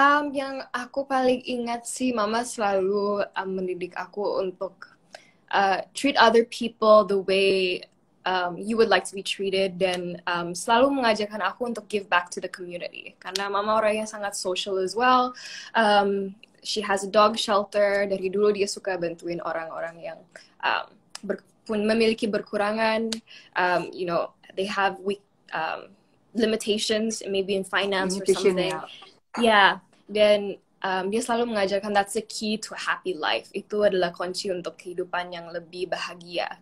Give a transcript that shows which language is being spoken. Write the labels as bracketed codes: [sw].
[id] Yang aku paling ingat sih, Mama selalu mendidik aku untuk [en] treat other people the way you would like to be treated, [id] dan selalu mengajarkan aku untuk [en] give back to the community. [id] Karena mama orangnya sangat [en] social as well. She has a dog shelter. [id] Dari dulu dia suka bantuin orang-orang yang memiliki berkurangan. [en] You know, they have weak limitations, maybe in finance or something. [id] Dan dia selalu mengajarkan [en] that's the key to a happy life. [id] Itu adalah kunci untuk kehidupan yang lebih bahagia.